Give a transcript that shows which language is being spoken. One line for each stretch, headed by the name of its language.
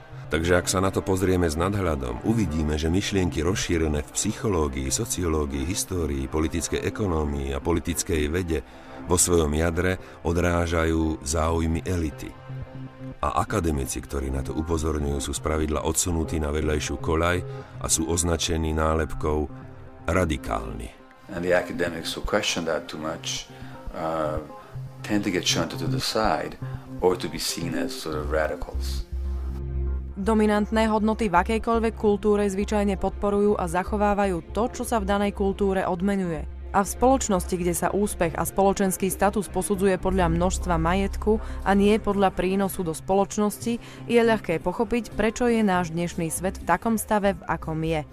Slovak: Takže ak sa na to pozrieme s nadhľadom, uvidíme, že myšlienky rozšírené v psychológii, sociológii, histórii, politickej ekonómii a politickej vede vo svojom jadre odrážajú záujmy elity. A akademici, ktorí na to upozorňujú, sú spravidla odsunutí na vedľajšiu koľaj a sú označení nálepkou radikálni.
English: And the academics who question that too much tend to get shunted to the side or to be seen as sort of radicals.
Slovak: Dominantné hodnoty v akejkoľvek kultúre zvyčajne podporujú a zachovávajú to, čo sa v danej kultúre odmenuje. A v spoločnosti, kde sa úspech a spoločenský status posudzuje podľa množstva majetku a nie podľa prínosu do spoločnosti, je ľahké pochopiť, prečo je náš dnešný svet v takom stave, v akom je.